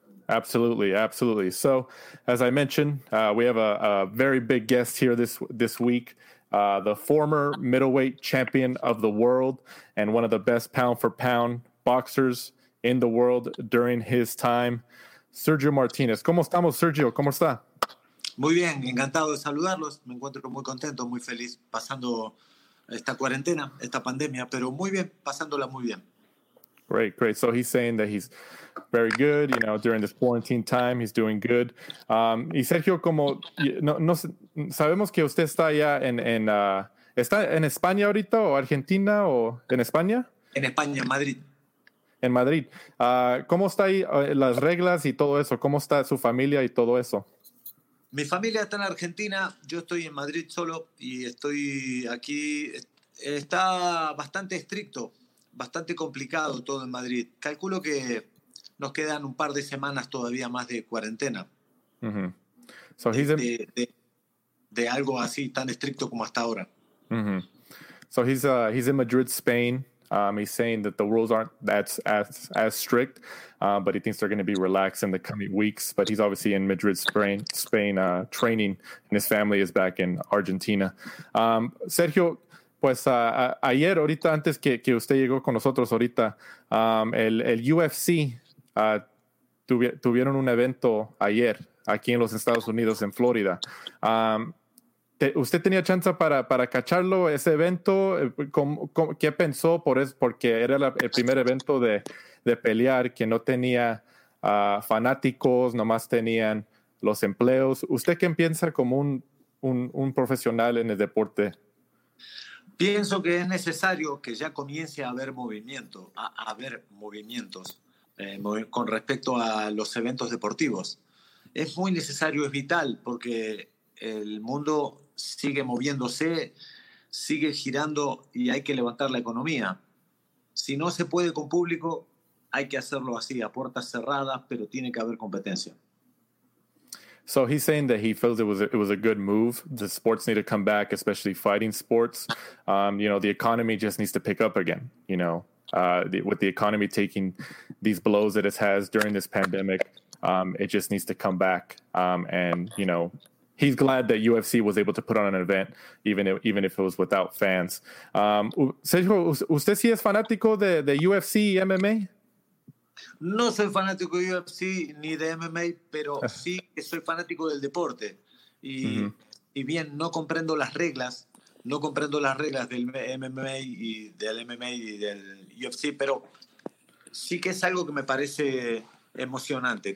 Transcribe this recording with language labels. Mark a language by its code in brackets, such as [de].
[en] Absolutely. So, as I mentioned, we have a very big guest here this week. The former middleweight champion of the world and one of the best pound for pound boxers in the world during his time, Sergio Martinez. [es] ¿Cómo estamos, Sergio? ¿Cómo está? Muy bien, encantado de saludarlos. Me encuentro muy contento, muy feliz pasando esta cuarentena, esta pandemia, pero muy bien, pasándola muy bien. [en] Great. So he's saying that he's very good, you know, during this quarantine time, he's doing good. [es] Y Sergio, como no sabemos que usted está allá está en España ahorita o Argentina o en España? En España, Madrid. En Madrid. ¿Cómo está ahí las reglas y todo eso? ¿Cómo está su familia y todo eso? Mi familia está en Argentina. Yo estoy en Madrid solo y estoy aquí. Está bastante estricto, bastante complicado todo en Madrid. Calculo que nos quedan un par de semanas todavía más de cuarentena. Mm-hmm. [en] So he's in... [es] de algo así tan estricto como hasta ahora. [en] Mm-hmm. So he's in Madrid, Spain. He's saying that the rules aren't as strict, but he thinks they're going to be relaxed in the coming weeks. But he's obviously in Madrid, Spain, training, and his family is back in Argentina. [es] Sergio, pues ayer, ahorita antes que usted llegó con nosotros ahorita, el UFC tuvieron un evento ayer aquí en los Estados Unidos, en Florida. ¿Usted tenía chance para cacharlo, ese evento? ¿Qué pensó? Porque era el primer evento de pelear que no tenía fanáticos, nomás tenían los empleos. ¿Usted qué piensa como un profesional en el deporte? Pienso que es necesario que ya comience a haber movimiento, a haber movimientos con respecto a los eventos deportivos. Es muy necesario, es vital, porque el mundo sigue moviéndose, sigue girando y hay que levantar la economía. Si no se puede con público, hay que hacerlo así, a puertas cerradas, pero tiene que haber competencia. [en] So he's saying that he feels it was a good move. The sports need to come back, especially fighting sports. You know, the economy just needs to pick up again, you know, with the economy taking these blows that it has during this pandemic, it just needs to come back. And, you know, he's glad that UFC was able to put on an event, even if it was without fans. [es] Sergio, ¿usted sí es fanático de UFC y MMA? No soy fanático de UFC ni de MMA, pero sí que soy fanático del deporte. Y, mm-hmm. y bien, no comprendo las reglas del MMA y del MMA y del UFC, pero sí que es algo que me parece emocionante.